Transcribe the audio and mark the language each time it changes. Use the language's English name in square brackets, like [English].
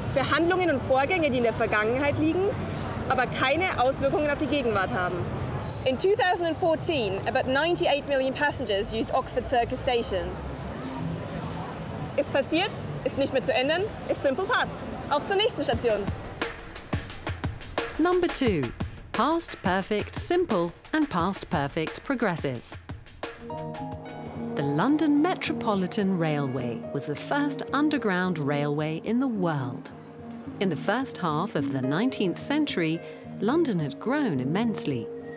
[German] Für Handlungen und Vorgänge, die in der Vergangenheit liegen, aber keine Auswirkungen auf die Gegenwart haben. [English] In 2014, about 98 million passengers used Oxford Circus Station. [German] Ist passiert, ist nicht mehr zu ändern, ist Simple Past. Auf zur nächsten Station. [English] Number two, past perfect simple and past perfect progressive. The London Metropolitan Railway was the first underground railway in the world. In the first half of the 19th century, London had grown immensely.